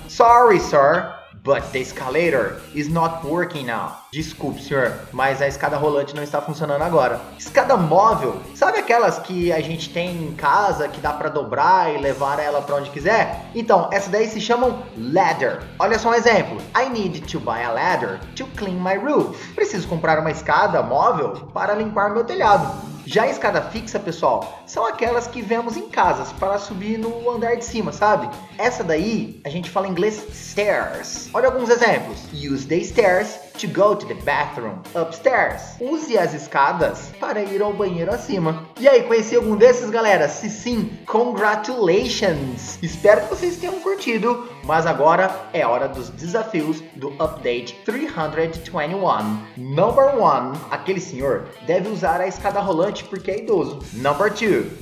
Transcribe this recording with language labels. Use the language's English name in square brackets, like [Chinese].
[English] Sorry, sir, but the escalator is not working now. [Portuguese] Desculpe, senhor, mas a escada rolante não está funcionando agora. Escada móvel, sabe aquelas que a gente tem em casa, que dá pra dobrar e levar ela pra onde quiser? Então, essa daí se chamam ladder. Olha só um exemplo. [English] I need to buy a ladder to clean my roof. [Portuguese] Preciso comprar uma escada móvel para limpar meu telhado. Já a escada fixa, pessoal, são aquelas que vemos em casas para subir no andar de cima, sabe? Essa daí, a gente fala em inglês stairs. Olha alguns exemplos. [English] Use the stairs to go to the bathroom upstairs. [Portuguese] Use as escadas para ir ao banheiro acima. E aí, conheci algum desses, galera? Se sim, congratulations! Espero que vocês tenham curtido, mas agora é hora dos desafios do Update 321. Number 1. Aquele senhor deve usar a escada rolante porque é idoso. Number 2.